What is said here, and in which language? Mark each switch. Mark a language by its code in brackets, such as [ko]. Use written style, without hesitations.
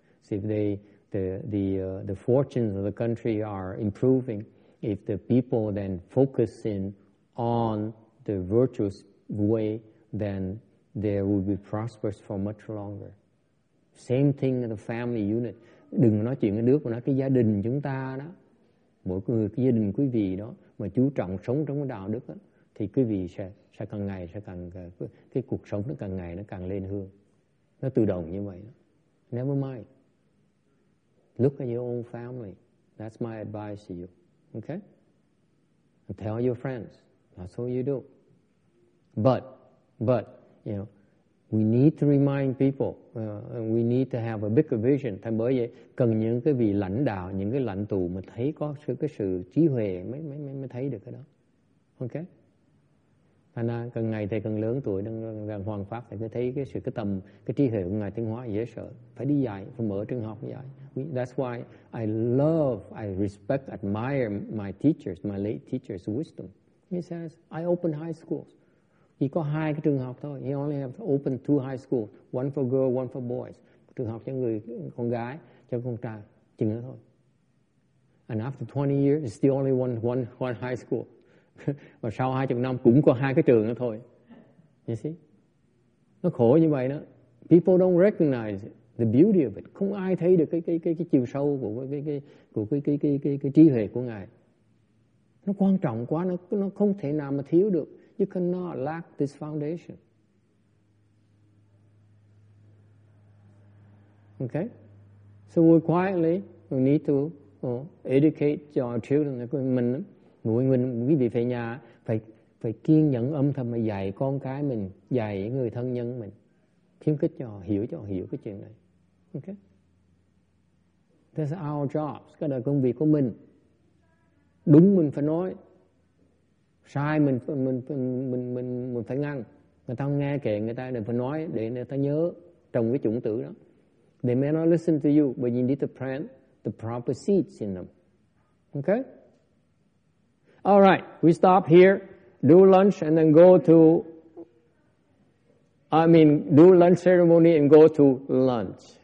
[en] So if the fortunes of the country are improving, if the people then focus in on the virtuous way, then there will be prosperous for much longer. Same thing in the family unit. [vi] Đừng nói chuyện cái nước mà nói cái gia đình chúng ta đó. Mỗi người cái gia đình quý vị đó mà chú trọng sống trong cái đạo đức đó, thì quý vị sẽ càng ngày sẽ càng cái cuộc sống nó càng ngày nó càng lên hương. Nó tự động như vậy. Đó. [en] Never mind. Look at your own family. That's my advice to you. Okay? And tell your friends. That's all you do. But, you know, we need to remind people, we need to have a bigger vision. [vi] Thế bởi vậy, cần những cái vị lãnh đạo, những cái lãnh tụ mà thấy có cái sự trí huệ mới thấy được cái đó. Ok? Thế nên, cần ngày thầy cần lớn tuổi, đang hoàng pháp, thầy mới thấy cái tầm, cái trí huệ của ngài Tiến Hóa dễ sợ. Phải đi dạy, phải mở trường học dạy. [en] That's why I respect, admire my teachers, my late teachers' wisdom. He says, I open high schools. [vi] Chỉ có hai cái trường học thôi. [en] He only have to open two high schools. One for girls, one for boys. [vi] Trường học cho người con gái, cho con trai. Chừng đó thôi. [en] And after 20 years, it's the only one high school. [vi] Và sau 20 năm cũng có hai cái trường đó thôi. [en] You see? [vi] Nó khổ như vậy đó. [en] People don't recognize it. The beauty of it. [vi] Không ai thấy được cái chiều sâu của cái trí huệ của ngài. Nó quan trọng quá, nó không thể nào mà thiếu được. [en] You cannot lack this foundation. Okay? So we quietly, we need to educate your children. [vi] Mình, mỗi người, quý vị về nhà, phải kiên nhẫn âm thầm mà dạy con cái mình, dạy người thân nhân mình. Khuyến khích cho họ hiểu cái chuyện này. Okay? [en] That's our job. [vi] Cái đó là công việc của mình. Đúng mình phải nói, sai mình phải ngăn. Người ta nghe kệ, người ta phải nói để người ta nhớ trồng cái chủng tử đó. [en] They may not listen to you, but you need to plant the proper seeds in them. Okay? All right, we stop here. Do lunch and then do lunch ceremony and go to lunch.